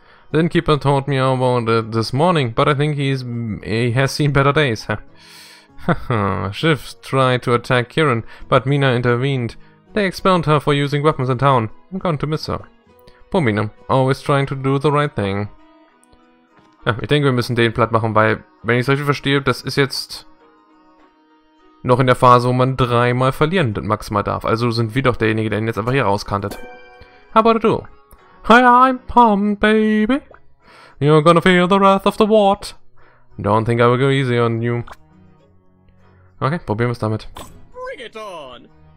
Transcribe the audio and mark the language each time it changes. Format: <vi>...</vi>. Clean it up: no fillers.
<en>The innkeeper told me about it this morning, but I think he has seen better days, huh? Shiv tried to attack Kieran, but Mina intervened. They expelled her for using weapons in town. I'm going to miss her. Poor Mina, always trying to do the right thing.</en> <de>Ja, ich denke, wir müssen den platt machen, weil, wenn ich es richtig verstehe, das ist jetzt noch in der Phase, wo man dreimal verlieren maximal darf. Also sind wir doch derjenige, der ihn jetzt einfach hier rauskantet.</de> <en>How about you? Hi, I'm pumped, baby. You're gonna feel the wrath of the wart. Don't think I will go easy on you.</en> <de>Okay, probieren wir es damit.</de> <en>Bring it on.</en>